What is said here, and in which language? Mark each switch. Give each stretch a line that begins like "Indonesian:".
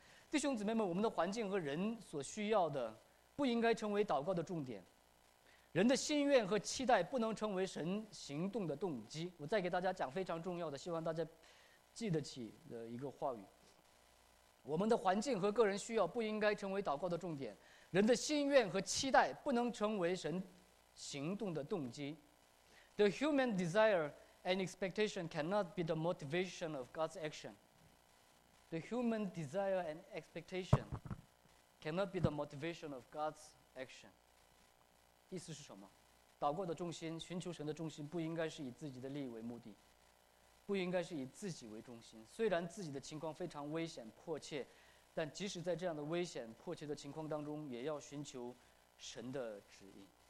Chinese: 弟兄姊妹们，我们的环境和人所需要的不应该成为祷告的重点，人的心愿和期待不能成为神行动的动机。我再给大家讲非常重要的，希望大家记得起的一个话语，我们的环境和个人需要不应该成为祷告的重点，人的心愿和期待不能成为神行动的动机。
English: The human desire and expectation cannot be the motivation of God's action. The human desire and expectation cannot be the motivation of God's action.
Chinese: 意思是什么？祷告的重心，寻求神的重心，不应该是以自己的利益为目的，不应该是以自己为中心。虽然自己的情况非常危险迫切，但即使在这样的危险迫切的情况当中，也要寻求神的旨意。